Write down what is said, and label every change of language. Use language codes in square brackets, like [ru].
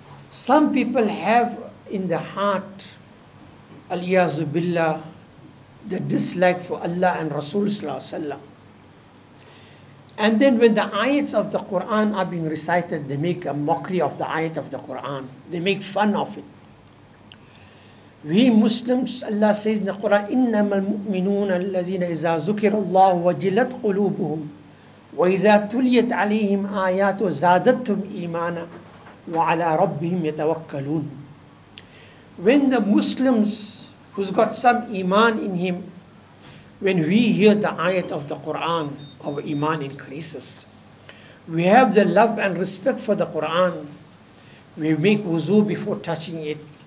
[en] Some people have in the heart, al-iyazu billah, the dislike for Allah and Rasul sallallahu alayhi wa sallam. And then when the ayats of the Quran are being recited, they make a mockery of the ayat of the Quran. They make fun of it. We Muslims, Allah says in the Quran, [ar] إِنَّمَا الْمُؤْمِنُونَ الَّذِينَ إِذَا ذُكِرَ اللَّهُ وَجِلَتْ قُلُوبُهُمْ وَإِذَا تُلِيَتْ عَلَيْهِمْ آيَاتُ وَزَادَتْهُمْ إِيمَانًا وَعَلَىٰ رَبِّهِمْ يَتَوَكَّلُونَ. [en] When the Muslims who's got some iman in him, when we hear the ayat of the Quran, our iman increases. We have the love and respect for the Quran. We make wuzu before touching it.